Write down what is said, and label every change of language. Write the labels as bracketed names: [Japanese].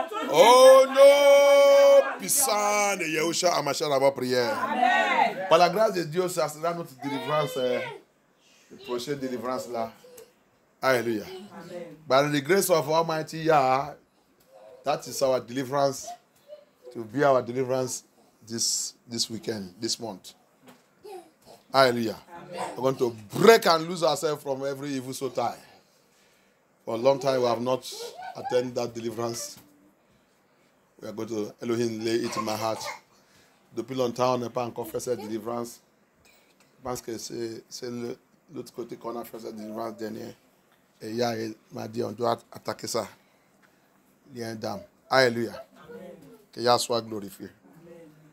[French] Oh no, puissant de Yahusha, à ma chère, à ma prière. Par la grâce de Dieu, ça sera notre délivrance, la prochaine délivrance là. Alléluia. [English] By the grace of Almighty Yah, that is our deliverance. To be our deliverance this weekend, this month. Hallelujah. We're going to break and loose ourselves from every evil so tie. For a long time, we have not attended that deliverance. We are going to Elohim lay it in my heart. [French] Depuis longtemps, on n'a pas encore fait cette deliverance. Parce que c'est l'autre côté qu'on a fait cette deliverance dernière. Et Yah m'a dit, on doit attaquer ça. Il y a un dame. Hallelujah. Que Yah soit glorifié. Amen.